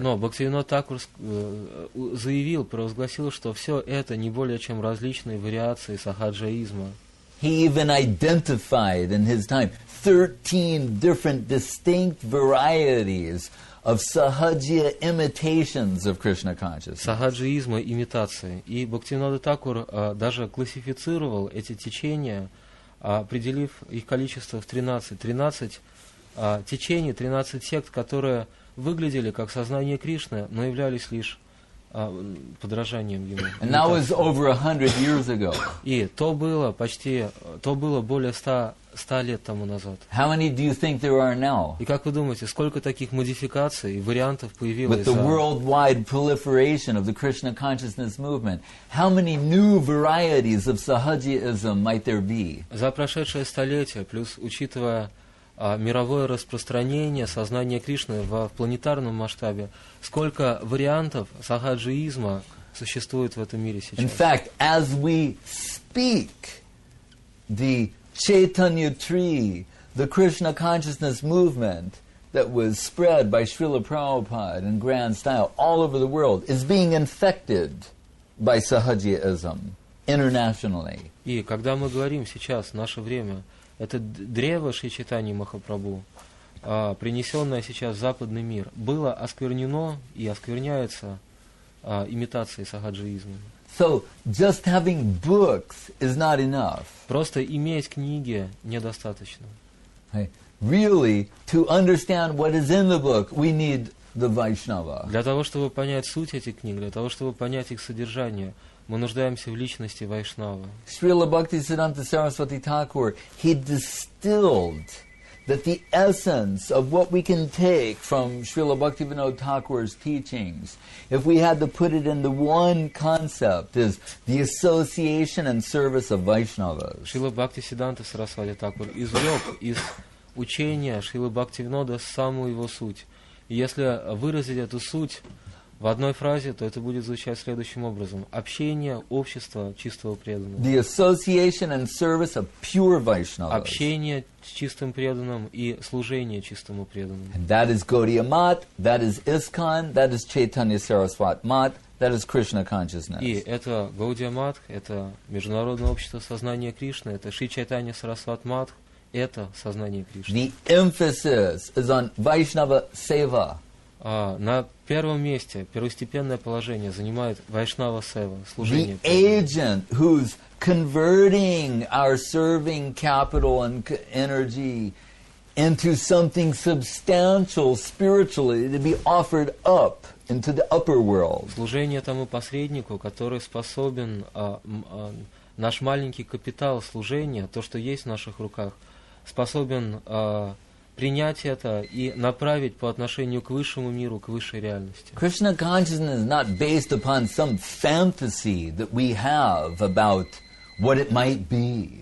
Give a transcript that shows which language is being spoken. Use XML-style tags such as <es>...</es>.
<ru>Но Бхактивинода Такур заявил, провозгласил, что все это не более чем различные вариации сахаджаизма.</ru> <en>He even identified in his time 13 different distinct varieties of sahajya imitations of Krishna consciousness.</en> <ru>Сахаджаизма, имитации. И Бхактивинода Такур даже классифицировал эти течения, определив их количество в 13. 13 течений, 13 сект, которые выглядели как сознание Кришны, но являлись лишь подражанием ему.</ru> <en>And that was over 100 years ago.</en> <ru>И то было более 100 лет тому назад.</ru> <en>How many do you think there are now?</en> <ru>И как вы думаете, сколько таких модификаций и вариантов появилось?</ru> <en>With the worldwide proliferation of the Krishna consciousness movement, how many new varieties of sahajyaism might there be?</en> <ru>За прошедшее столетие, плюс учитывая мировое распространение сознания Кришны в планетарном масштабе, сколько вариантов сахаджиизма существует в этом мире сейчас?</ru> <en>In fact, as we speak, the Chaitanya Tree, the Krishna consciousness movement that was spread by Srila Prabhupada in grand style all over the world is being infected by sahajyaism internationally.</en> <ru>И когда мы говорим сейчас, в наше время, это древо Шри Чайтаньи Махапрабху, принесенное сейчас в западный мир, было осквернено и оскверняется имитацией сахаджиизма.</ru> <en>So, just having books is not enough.</en> <ru>Просто иметь книги недостаточно.</ru> <en>Really, to understand what is in the book, we need the Vaishnava.</en> <ru>Для того, чтобы понять суть этих книг, для того, чтобы понять их содержание, мы нуждаемся в личности Вайшнава.</ru> <en>Srila Bhaktisiddhanta Saraswati Thakur, he distilled that the essence of what we can take from Srila Bhaktivinoda Thakur's teachings, if we had to put it in the one concept, is the association and service of Vaishnavas.</en> <ru>Srila Bhaktisiddhanta Saraswati Thakur извлек из учения Srila Bhaktivinoda самую его суть. Если выразить эту суть в одной фразе, то это будет звучать следующим образом. Общение, общество чистого преданного.</ru> <en>The association and service of pure Vaishnavas.</en> <ru>Общение с чистым преданным и служение чистому преданному.</ru> <en>And that is Gaudiya Math, that is ISKCON, that is Chaitanya Saraswat Math, that is Krishna Consciousness.</en> <ru>И это Gaudiya Math, это Международное общество сознания Кришны, это Шри Чайтанья Сарасват Матх, это сознание Кришны.</ru> <en>The emphasis is on Vaishnava Seva.</en> <ru>На первом месте первостепенное положение занимает Вайшнава Сева, служение.</ru> <en>The agent who's converting our serving capital and energy into something substantial spiritually to be offered up into the upper world.</en> <ru>Служение тому посреднику, который способен наш маленький капитал служения, то, что есть в наших руках, способен принять это и направить по отношению к высшему миру, к высшей реальности.</ru> <en>Krishna consciousness is not based upon some fantasy that we have about what it might be.</en>